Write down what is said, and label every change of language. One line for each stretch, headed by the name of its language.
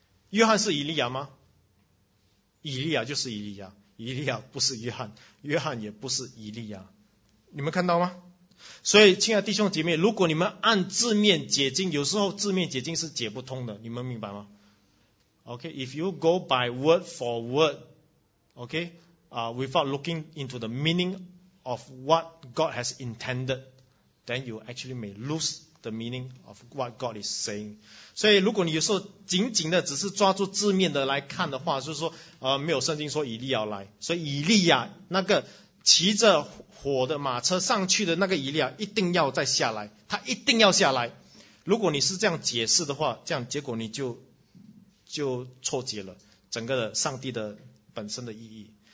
Chinese: 约翰是以利亚吗？以利亚就是以利亚，以利亚不是约翰，约翰也不是以利亚。你们看到吗？所以亲爱的弟兄姐妹，如果你们按字面解经，有时候字面解经是解不通的，你们明白吗？
English: OK, if you go by word for word, OK, without looking into the meaning of what God has intended,then you actually may lose the meaning of what God is saying.
Chinese: 所以如果你有时候紧紧的只是抓住字面的来看的话，就是说没有圣经说以利亚来，所以以利亚那个骑着火的马车上去的那个以利亚一定要再下来，他一定要下来。如果你是这样解释的话，这样结果你就错解了整个上帝的本身的意义。